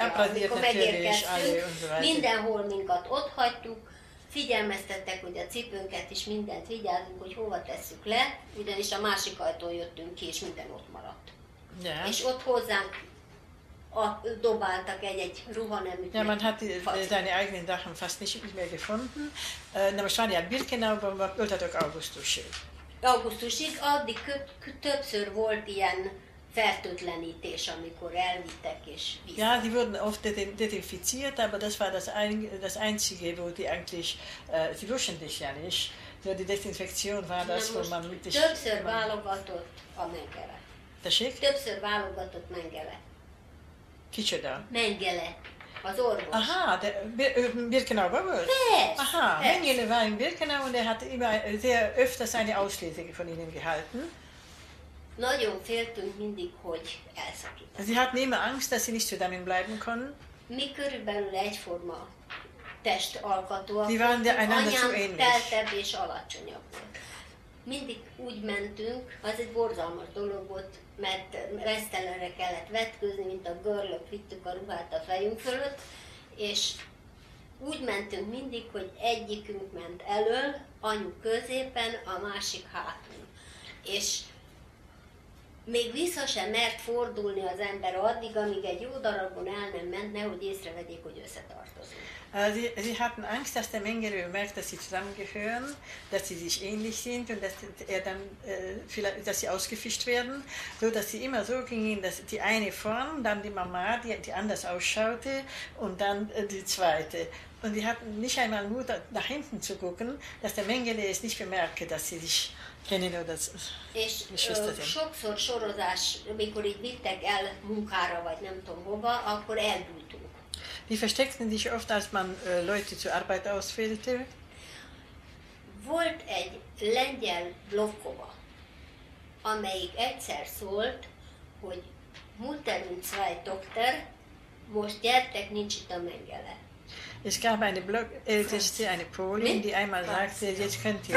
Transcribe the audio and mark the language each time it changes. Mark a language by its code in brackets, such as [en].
[hu] Amikor megérkeztünk, mindenhol minket ott hagytuk, figyelmeztettek, hogy a cipőnket is mindent vigyázunk, hogy hova tesszük le, ugyanis a másik ajtón jöttünk ki, és minden ott maradt. [en] Yeah. [hu] És ott hozzánk dobáltak egy-egy ruhaneműt. [de] Ja, man hat deine eigenen Sachen fast nicht mehr gefunden. [hu] Na most várjál, Birkenauban öltetek augusztusig. Augusztusig, addig többször volt ilyen fertőtlenítés, amikor elvittek és vissza. [de] Ja, die wurden oft desinfiziert, aber das war das einzige, wo die eigentlich, sie wussten dich ja nicht, nur die Desinfektion war das, wo man mit sich... [hu] Többször válogatott a Mengele. Tessék? Többször válogatott Mengele. Kicsoda? Mengele. Az orvos. Aha, de Birkenauban volt? [de] Aha, Mengele war in Birkenau, und hat immer sehr öfters eine Auslese von ihnen gehalten. [hu] Nagyon féltünk mindig, hogy elszakítanak. [de] Sie hatten immer Angst, dass sie nicht zusammen bleiben können. [hu] Mi körülbelül egyforma testalkatóak. [de] Sie waren der einander zu ähnlich. [hu] Anyám teltebb és alacsonyabb volt. Mindig úgy mentünk, az egy borzalmas dolog volt, mert resztelenre kellett vetkőzni, mint a görlök, vittük a ruhát a fejünk fölött, és úgy mentünk mindig, hogy egyikünk ment elől, anyu középen, a másik hátul. És még vissza sem mert fordulni az ember addig, amíg egy jó darabon el nem ment, nehogy észrevegyék, hogy összetartozunk. [de] Sie hatten Angst, dass der Mengele merkt, dass sie zusammengehören, dass sie sich ähnlich sind und dass er dann vielleicht, dass sie ausgefischt werden, so dass sie immer so gingen, dass die eine vorn, dann die Mama, die anders ausschaute und dann die zweite. Und sie hatten nicht einmal Mut, nach hinten zu gucken, dass der Mengele es nicht bemerke, dass sie sich kennen oder so. [hu] Sokszor sorozás, mikor így vittek el munkára vagy nem tudom hova, akkor elbújtunk. [de] Die versteckten sich oft, als man Leute zur Arbeit auswählte. [hu] Volt egy lengyel blokkova, amelyik egyszer szólt, hogy [de] Mutter und zwei Tochter, [hu] most gyertek, nincs itt a Mengele. [de] Es gab eine Blockälteste, eine Polin, die einmal sagte, jetzt könnt ihr